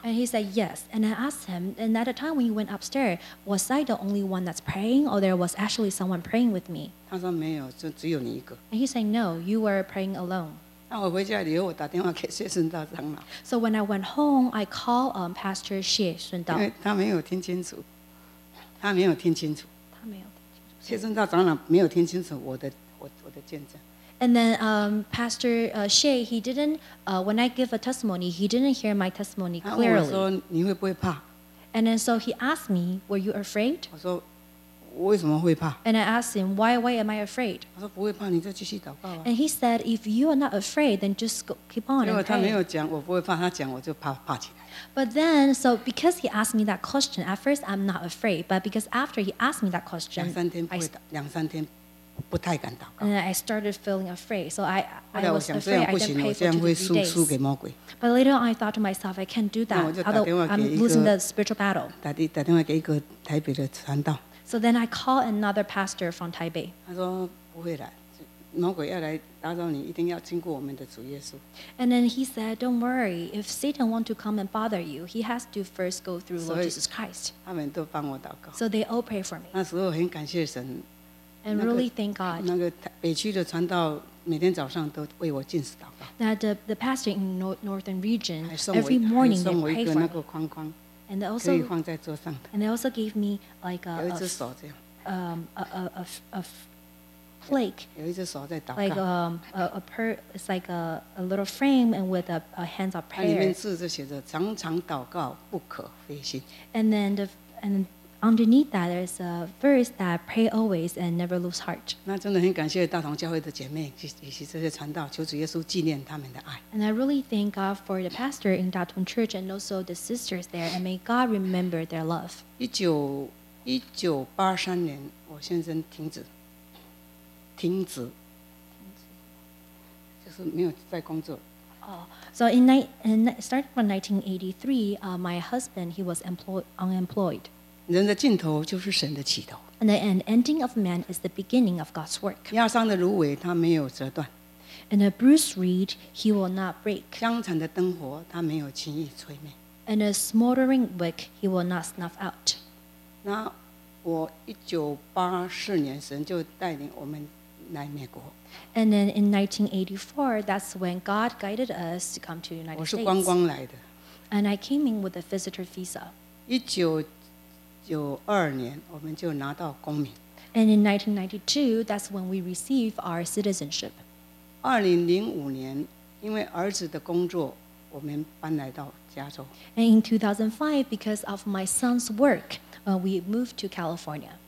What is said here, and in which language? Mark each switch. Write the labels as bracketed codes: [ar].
[en] And he said yes. And I asked him, and at the time when he went upstairs, was I the only one that's praying, or there was actually someone praying with me? [zh] 他说没有，就只有你一个。 [en] And he said no, you were praying alone. [zh] 那我回家以后，我打电话给谢顺道长老。 [en] So when I went home, I called Pastor 谢顺道。 [zh] 因为他没有听清楚，他没有听清楚。他没有听清楚。谢顺道长老没有听清楚我的见证。 [en] And then Pastor 谢 he didn't when I give a testimony, he didn't hear my testimony clearly. [zh] 他问我说你会不会怕 [en] ？And then so he asked me, were you afraid? [zh] 我说。我为什么会怕 [en] ？And I asked him, why am I afraid? [zh] 他说不会怕，你再继续祷告啊。 [en] And he said, if you are not afraid, then just go, keep on and pray. [zh] 结果他没有讲我不会怕，他讲我就怕起来。 [en] But then, so because he asked me that question, at first I'm not afraid, but because after he asked me that question, [zh] 两三天不太敢祷告。 [en] And I started feeling afraid, so I was afraid. [zh] 这样不行，我这样会输给魔鬼。 [en] But later on, I thought to myself, I can't do that. [zh] 那我就打电话给一个 [en] I'm losing the spiritual battle. [zh] 打电话给一个台北的传道。 [en] So then I call another pastor from Taipei. [zh] 他说不会的，魔鬼要来打扰你，一定要经过我们的主耶稣。 [en] And then he said, "Don't worry. If Satan wants to come and bother you, he has to first go through Lord Jesus Christ." [zh] 他们都帮我祷告。 [en] So they all pray for me. [zh] 那时候很感谢神。 [en] And really thank God. [zh] 那个北区的传道每天早上都为我进食祷告。 [en] That the pastor in northern region every morning they pray for me. [zh] 还送我一个那个框框。 [en] And they also, [zh] 可以放在桌上的, [en] and they also gave me like a, [zh] 有一隻手這樣, [en] flake, [zh] 有一隻手在祷告, [en] like it's like a little frame and with a hands of prayer. [zh] 里面字就写着, 常常祷告, 不可灰心, [en] and then the, and underneath that there's a verse that pray always and never lose heart. [zh] 那真的很感谢大同教会的姐妹以及这些传道，求主耶稣纪念他们的爱。 [en] And I really thank God for the pastor in Da Tong Church and also the sisters there, and may God remember their love. [zh] 1983年, 我先生停止, 就是没有在工作。 [en] So starting from 1983, my husband, he was unemployed. [zh] 人的尽头就是神的起头, [en] and the ending of man is the beginning of God's work. [zh] 压伤的芦苇, [en] and a bruised reed, he will not break. [zh] 香残的灯火, [en] and a smoldering wick, he will not snuff out. [zh] 那我1984年, [en] and then in 1984, that's when God guided us to come to the United [zh] 我是观光来的, [en] States. And I came in with a visitor visa. [zh] 1992年, 我们就拿到公民。 [en] And in 1992, that's when we received our citizenship. [zh] 2005年, 因为儿子的工作, 我们搬来到加州。 [en] And in 2005, because of my son's work, we moved to California.